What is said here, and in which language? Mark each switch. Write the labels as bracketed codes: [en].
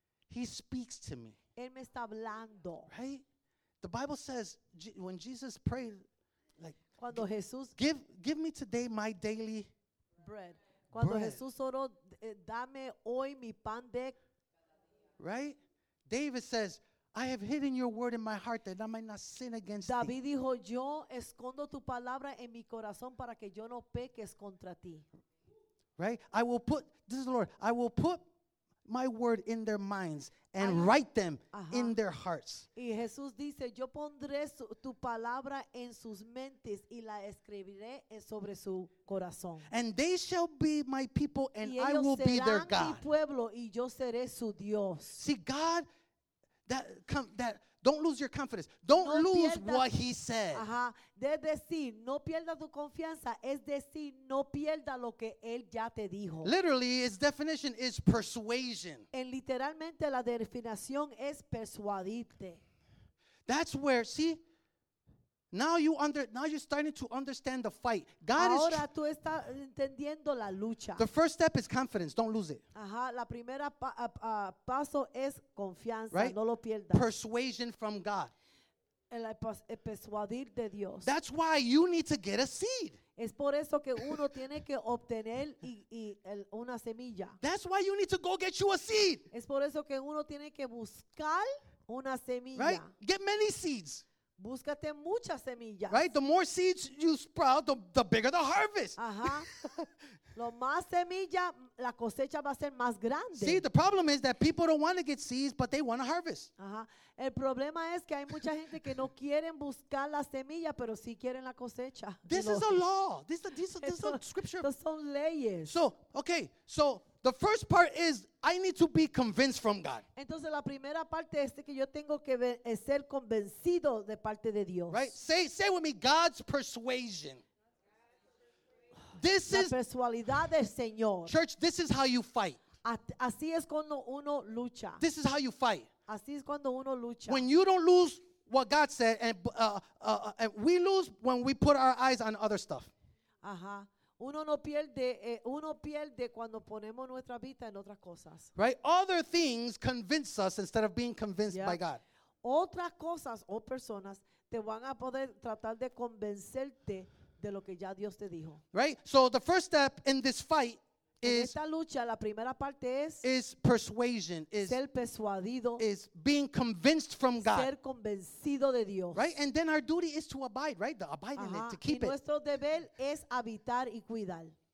[en] He speaks to me. [es] Él me está hablando. [en] Right? The Bible says when Jesus prayed, like, [es] cuando Jesús, [en] give me today my daily bread. [es] Cuando Jesús oró, dame hoy mi pan de. [en] Right? David says, I have hidden your word in my heart that I might not sin against thee. [es] David dijo, yo escondo tu palabra en mi corazón para que yo no peques contra ti. [en] Right? I will put, this is the Lord, I will put my word in their minds and write them in their hearts. [es] Y Jesús dice, yo pondré tu palabra en sus mentes y la escribiré sobre su corazón. [en] And they shall be my people and I will be their God. [es] Mi pueblo y yo seré su Dios. [en] See, God, that don't lose your confidence. Don't lose what he said. Ajá. [es] De decir, no pierda tu confianza, es decir, no pierda lo que él ya te dijo. [en] Literally, its definition is persuasion. [es] En literalmente la definición es persuadirte. [en] That's where, see? Now you're starting to understand the fight. God [es] ahora [en] is [es] tú estás entendiendo la lucha. [en] The first step is confidence. Don't lose it. [es] Ajá, la primera paso es confianza. [en] Right? [es] No lo pierdas. [en] Persuasion from God. [es] El persuadir de Dios. [en] That's why you need to get a seed. [es] Es por eso que uno tiene que obtener una semilla. [en] That's why you need to go get you a seed. [es] Es por eso que uno tiene que buscar una semilla. [en] Right? Get many seeds. [es] Búscate muchas semillas. [en] Right? The more seeds you sprout, the bigger the harvest. Ajá. [es] Lo más semilla, la cosecha va a ser más grande. [en] See, the problem is that people don't want to get seeds, but they want to harvest. Ajá. [es] El problema es que hay mucha gente que no quieren buscar la semilla, pero sí quieren la cosecha. [en] This is a law. This is a scripture. [es] Those son leyes. [en] So, okay. So, the first part is I need to be convinced from God. [es] Entonces la primera parte es que yo tengo que ser convencido de parte de Dios. [en] Right? Say with me, God's persuasion. This is [es] la persuasividad del Señor. [en] Church, this is how you fight. [es] Así es cuando uno lucha. [en] This is how you fight. [es] Así es cuando uno lucha. [en] When you don't lose what God said, and we lose when we put our eyes on other stuff. Ajá. [es] Uno no pierde, uno pierde cuando ponemos nuestra vista en otras cosas. [en] Right? Other things convince us instead of being convinced by God. [es] Otras cosas o personas te van a poder tratar de convencerte de lo que ya Dios te dijo. [en] Right? So the first step in this fight is [es] esta lucha, la primera parte es [en] is persuasion, is [es] ser persuadido, [en] is being convinced from God. [es] Ser convencido de Dios. [en] Right? And then our duty is to abide, right? The abide in it, to keep [es] it. Nuestro deber es habitar y cuidar.